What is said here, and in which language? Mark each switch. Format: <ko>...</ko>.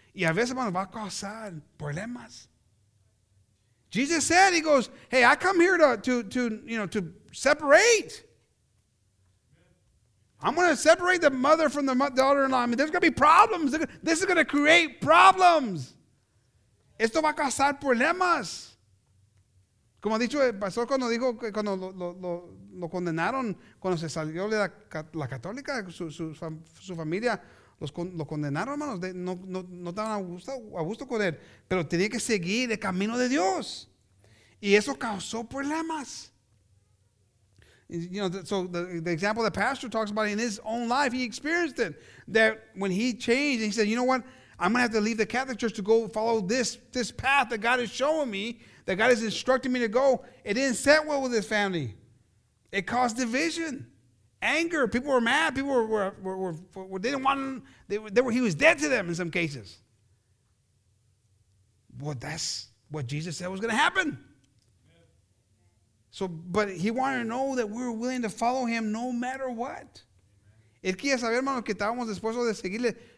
<es>Y a veces, hermanos, va a causar problemas.</es> <en>Jesus said, he goes, hey, I come here to separate. I'm going to separate the mother from the daughter-in-law. I mean, there's going to be problems. This is going to create problems.</en> <es>Esto va a causar problemas. Como ha dicho el pastor cuando dijo que cuando lo condenaron, cuando se salió de la católica, su familia, lo condenaron, hermanos. No estaban a gusto con él. Pero tenía que seguir el camino de Dios. Y eso causó problemas.</es> <en>You know, so the example the pastor talks about in his own life, he experienced it. That when he changed, he said, you know what? I'm going to have to leave the Catholic Church to go follow this path that God is showing me, that God is instructing me to go. It didn't set well with his family. It caused division, anger. People were mad. People were they didn't want him. He was dead to them in some cases. Well, that's what Jesus said was going to happen. So, but he wanted to know that we were willing to follow him no matter what.</en> <es>Él quería saber, hermano, que estábamos dispuestos de seguirle.</es>